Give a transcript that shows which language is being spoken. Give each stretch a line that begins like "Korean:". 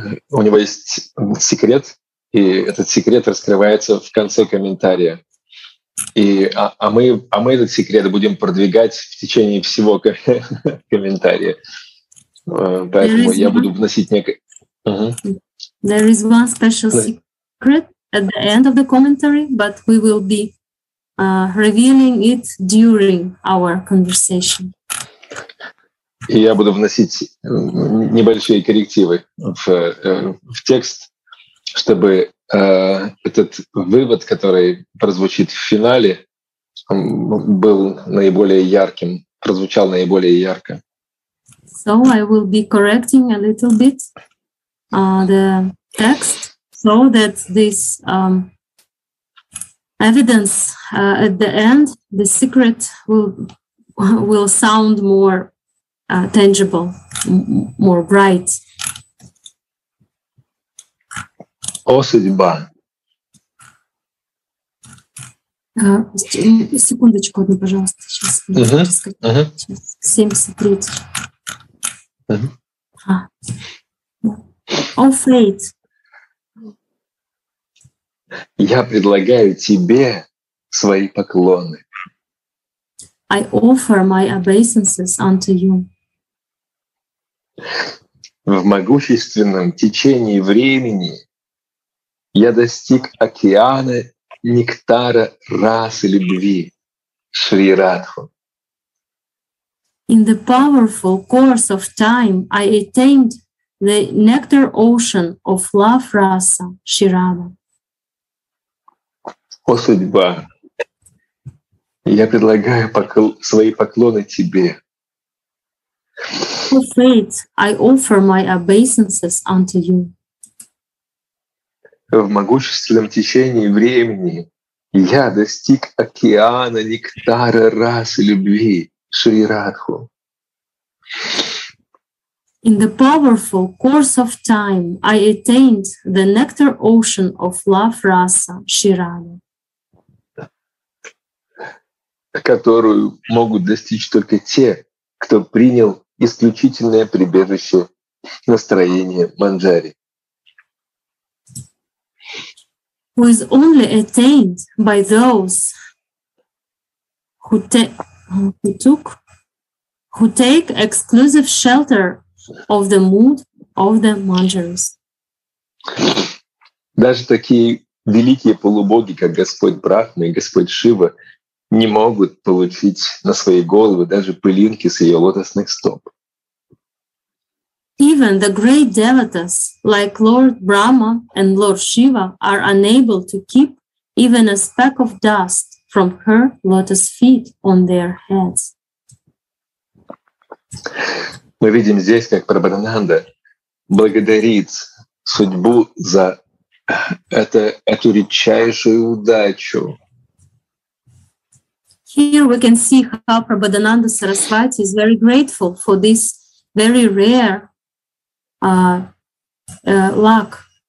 Russian: У него есть секрет, и этот секрет раскрывается в конце комментария. И мы этот секрет будем продвигать в течение всего комментария. Поэтому я буду вносить некое.
English: There is one special secret at the end of the commentary, but we will be revealing it during our conversation.
Russian: И я буду вносить небольшие коррективы в текст, чтобы этот вывод, который прозвучит в финале, был наиболее ярким, прозвучал наиболее ярко.
English: So I will be correcting a little bit the text so that this evidence at the end, the secret will sound more tangible, more bright.
Russian: О, судьба. Секундочку одну, пожалуйста. Сейчас. Uh-huh. 73. Uh-huh.
English: О, фейт.
Russian: Я предлагаю тебе свои поклоны.
English: I offer my obeisances unto you.
Russian: В могущественном течении времени я достиг океана нектара расы любви Шри Радху.
English: In the powerful course of time I attained the nectar ocean of love rasa Shri Radha.
Russian: О, судьба, я предлагаю свои поклоны тебе.
English: О, фейт, I offer my obeisances unto you.
Russian: В могущественном течении времени я достиг океана нектара расы любви Шри Радху.
English: In the powerful course of time I attained the nectar ocean of love rasa Shri Radha.
Russian: Которую могут достичь только те, кто принял исключительное прибежище настроения Манджари.
English: Who is only attained by those who take exclusive shelter of the mood of the Manjaris.
Russian: Даже такие великие полубоги, как Господь Брахма и Господь Шива, не могут получить на свои головы даже пылинки с ее лотосных стоп.
English: Even the great devatas, like Lord Brahma and Lord Shiva, are unable to keep even a speck of dust from her lotus feet on their heads.
Russian: Мы видим здесь, как Прабхананда благодарит судьбу за эту редчайшую удачу.
English: Here we can see how Prabhadananda Sarasvati is very grateful for this very rare luck.